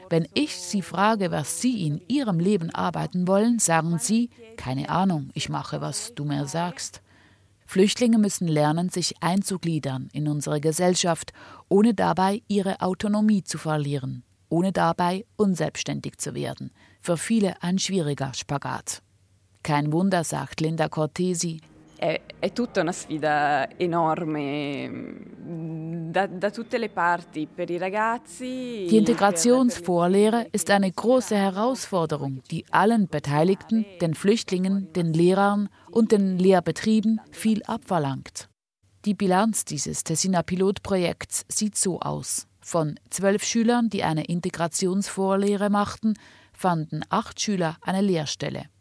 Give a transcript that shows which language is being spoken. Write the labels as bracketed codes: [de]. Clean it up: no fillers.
[de] Wenn ich sie frage, was sie in ihrem Leben arbeiten wollen, sagen sie, keine Ahnung, ich mache, was du mir sagst. Flüchtlinge müssen lernen, sich einzugliedern in unsere Gesellschaft, ohne dabei ihre Autonomie zu verlieren, ohne dabei unselbstständig zu werden. Für viele ein schwieriger Spagat. Kein Wunder, sagt Linda Cortesi. [it] È tutta una sfida enorme da tutte le parti per i ragazzi. [de] Die Integrationsvorlehre ist eine große Herausforderung, die allen Beteiligten, den Flüchtlingen, den Lehrern und den Lehrbetrieben viel abverlangt. Die Bilanz dieses Tessiner Pilotprojekts sieht so aus: Von 12 Schülern, die eine Integrationsvorlehre machten, fanden 8 Schüler eine Lehrstelle.